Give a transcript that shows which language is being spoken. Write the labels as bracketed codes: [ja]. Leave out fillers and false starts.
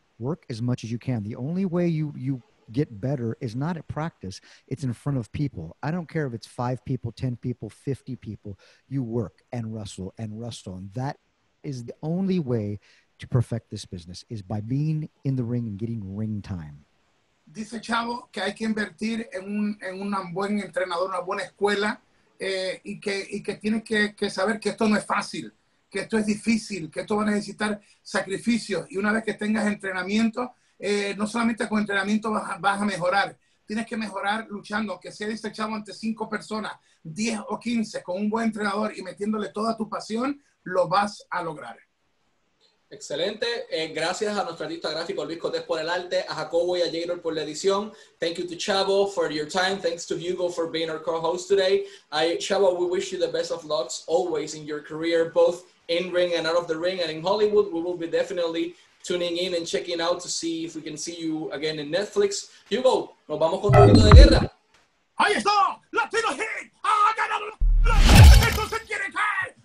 [en] Work as much as you can. The only way you get better is not at practice. It's in front of people. I don't care if it's 5 people, 10 people, 50 people. You work and wrestle and wrestle. And that is the only way to perfect this business, is by being in the ring and getting ring time. [es] Dice Chavo que hay que invertir en un buen entrenador, una buena escuela, y que tienes que saber que esto no es fácil, que esto es difícil, que esto va a necesitar sacrificios. Y una vez que tengas entrenamiento, no solamente con entrenamiento vas a mejorar. Tienes que mejorar luchando, que sea, dice Chavo, ante 5 personas, 10 o 15, con un buen entrenador y metiéndole toda tu pasión, lo vas a lograr. Excelente. Gracias a nuestro artista gráfico Luis Cotés por el arte, a Jacobo y a Jader por la edición. [en] Thank you to Chavo for your time. Thanks to Hugo for being our co-host today. Chavo, we wish you the best of luck always in your career, both in ring and out of the ring. And in Hollywood, we will be definitely tuning in and checking out to see if we can see you again in Netflix. [es] Hugo, nos vamos con un poquito de guerra. Ahí está, Latino Heat. Ha ganado los quieren caer.